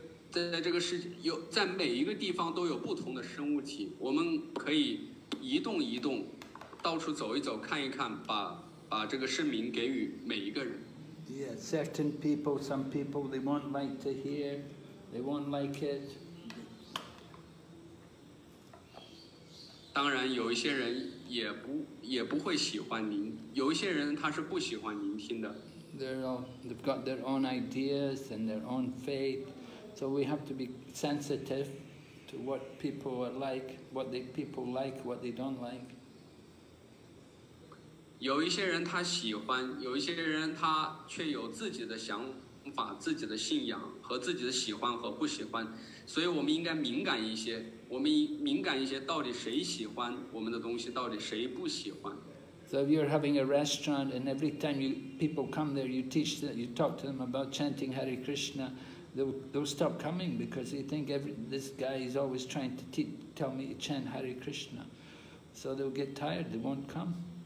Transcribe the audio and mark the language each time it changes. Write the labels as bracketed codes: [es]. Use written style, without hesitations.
[zh] 在这个世界有在每一个地方都有不同的生物体，我们可以移动移动，到处走一走，看一看，把这个圣名给予每一个人。 [en] Yeah, certain people, some people, they won't like to hear, they won't like it. [zh] 当然，有一些人。也不会喜欢您，有一些人他是不喜欢您听的。 [en] They've got their own ideas and their own faith, so we have to be sensitive to what people are like, what the people like, what they don't like. [zh] 有一些人他喜欢，有一些人他却有自己的想法、自己的信仰和自己的喜欢和不喜欢，所以我们应该敏感一些。我们敏感一些，到底谁喜欢我们的东西，到底谁不喜欢。 [en] So if you're having a restaurant and every time people come there, you teach them, you talk to them about chanting Hare Krishna, they'll stop coming because they think this guy is always trying to tell me to chant Hare Krishna. So they'll get tired, they won't come.